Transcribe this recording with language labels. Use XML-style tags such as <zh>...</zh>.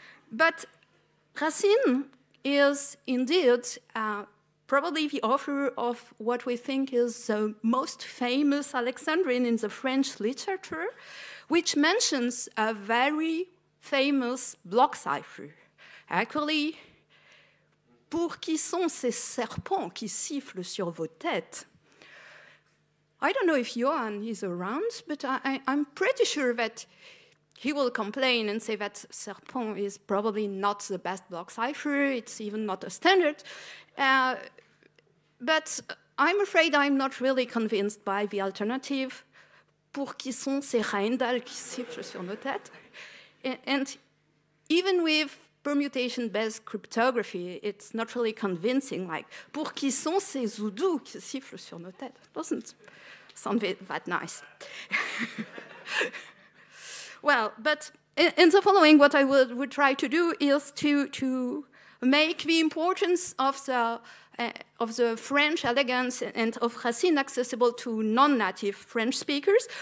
<en>But Racine is indeed probably the author of what we think is the most famous Alexandrine in the French literature, which mentions a very famous block cipher.</en> <fr>Actually, pour qui sont ces serpents qui sifflent sur vos têtes?</fr> <en>I don't know if Johan is around, but I'm pretty sure that he will complain and say that Serpent is probably not the best block cipher, it's even not a standard. But I'm afraid I'm not really convinced by the alternative.</en> <fr>Pour qui sont ces reindales qui sifflent sur nos têtes?</fr> <en>And even with permutation-based cryptography, it's not really convincing.</en> <fr>Like, pour qui sont ces zoudous qui sifflent sur nos têtes?</fr> <en>Doesn't sound that nice. Well, but in the following, what I would try to do is to make the importance of the French elegance and of Racine accessible to non-native French speakers.</en>